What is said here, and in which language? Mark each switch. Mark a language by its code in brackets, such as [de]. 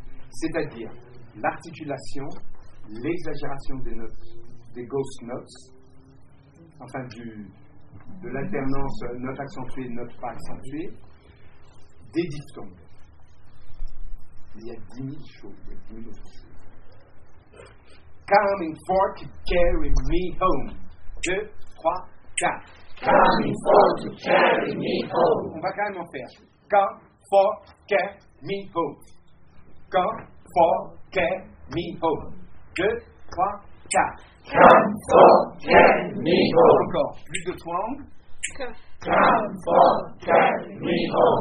[fr] C'est-à-dire l'articulation, l'exagération des notes, des ghost notes, enfin de l'alternance note accentuée, note pas accentuée, des diphtongues. Il y a 10 000 choses, il y a 10 000 autres choses. [en] Coming for to carry me home. 2, 3, 4. Come for to carry me home. [fr] On va quand même en faire. [en] Come for carry me home. Come for carry me home. 2, 3, 4. Come for carry me home. [fr] Encore. Plus de twang. [en] Come for carry me home.